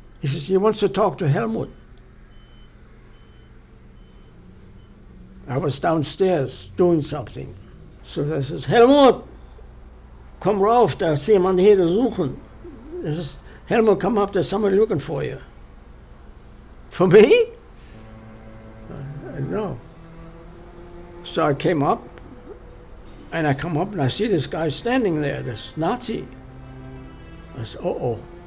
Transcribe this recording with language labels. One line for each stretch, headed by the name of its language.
English: He says, he wants to talk to Helmut. I was downstairs doing something. So I says,
German: Helmut, komm rauf, da ist jemand hier zu suchen.
English: He says, Helmut, come up, there's somebody looking for you. For me? No. So I came up, and I come up and I see this guy standing there, this Nazi. I said, uh-oh.